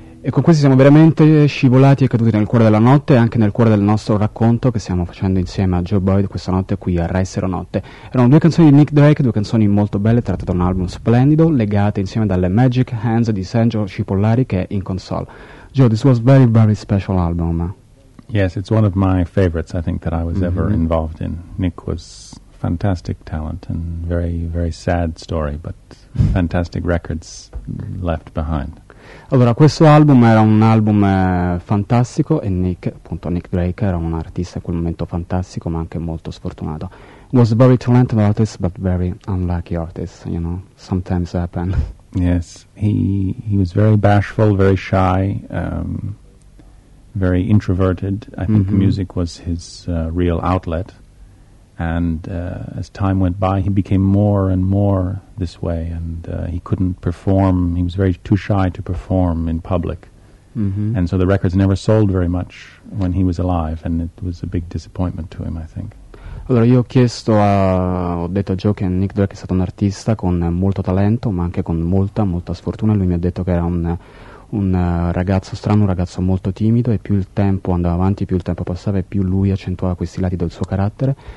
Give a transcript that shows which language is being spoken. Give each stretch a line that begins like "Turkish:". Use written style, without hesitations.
Italian: Questi siamo veramente scivolati e caduti nel cuore della notte e anche nel cuore del nostro racconto che stiamo facendo insieme a Joe Boyd questa notte qui a Rai Sera Notte. Erano due canzoni di Nick Drake, due canzoni molto belle tratte da un album splendido, legate insieme dalle Magic Hands di Sergio Cipollari che è in console.
English: Joe, this was very, very special album. Yes, it's one of my favorites, I think, that I was ever involved in. Nick was fantastic talent and very, very sad story, but fantastic records left behind.
Italian: Allora, questo album era un album fantastico e Nick, appunto Nick Drake, era un artista in quel momento fantastico ma anche molto sfortunato.
English: Was a very talented artist but very unlucky artist, you know, sometimes happen. Yes, he was very bashful, very shy, very introverted. I think music was his real outlet. And as time went by, he became more and more this way, and he couldn't perform. He was very too shy to perform in public. Mm-hmm. And so the records never sold very much when he was alive, and it was a big disappointment to him, I think.
Italian: Allora, io ho chiesto, ho detto a Joe che Nick Drake è stato un artista con molto talento, ma anche con molta, molta sfortuna. Lui mi ha detto che era un ragazzo strano, un ragazzo molto timido, e più il tempo andava avanti, più il tempo passava, e più lui accentuava questi lati del suo carattere.